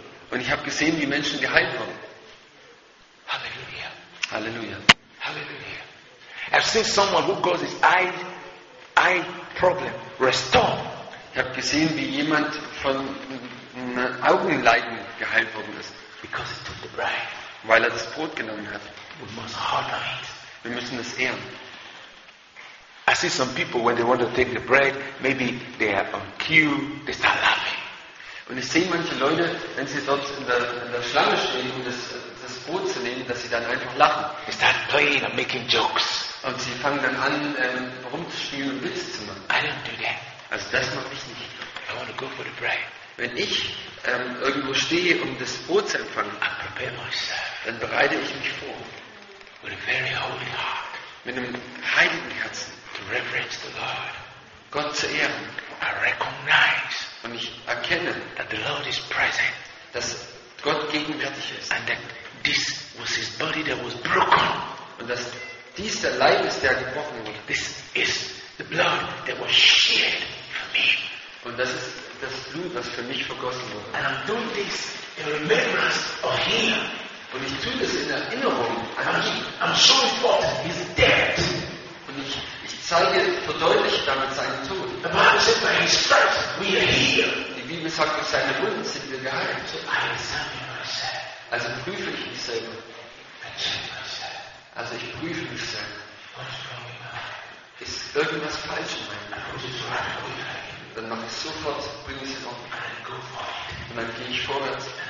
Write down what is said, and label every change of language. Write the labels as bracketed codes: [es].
[de] Und ich habe gesehen, wie Menschen geheilt wurden. Halleluja. Halleluja. Halleluja. [en] I've seen someone who got his eye problem restored. [de] Ich habe gesehen, wie jemand von einem Augenleiden geheilt worden ist. [en] Because he took the bread. [de] Weil er das Brot genommen hat. [en] We must honor it. [de] Wir müssen es ehren. [en] I see some people when they want to take the bread, maybe they are on queue, they start laughing. [de] Und ich sehe manche Leute, wenn sie dort in der Schlange stehen, um das Brot zu nehmen, dass sie dann einfach lachen. [en] They start playing and making jokes. [de] Und sie fangen dann an, rumzuspielen und Witze zu machen. [en] I don't do that. [de] Also das mache ich nicht. [en] I want to go for the bread. [de] Wenn ich irgendwo stehe, um das Brot zu empfangen, [en] I prepare myself. [de] Dann bereite ich mich vor. [en] With a very holy heart. [de] Mit einem heiligen Herzen. [en] To reverence the Lord. [de] Gott zu ehren. [en] I recognize. [de] Und ich erkenne, [en] that the Lord is present. [de] Dass Gott gegenwärtig ist. [en] And that this was his body that was broken. [de] Und dass dies der Leib ist, der gebrochen wurde. [en] This is the blood that was shed for me. [de] Und das ist das Blut, was für mich vergossen wurde. [en] And I'm doing this in remembrance of him. [de] Und ich tue das in Erinnerung an ihn. [en] I'm showing forth his death. [de] Und ich zeige, verdeutliche damit seinen Tod. [en] The Bible says, by his stripes we are healed. [de] Die Bibel sagt, durch seine Wunden sind wir geheilt. [en] So I examine myself. [de] Also prüfe ich mich selber. Also ich prüfe mich selber. [en] What's wrong with that? [de] Ist irgendwas falsch in meinem Leben? dann mache ich sofort, bringe ich es auf. Und dann gehe ich vorwärts.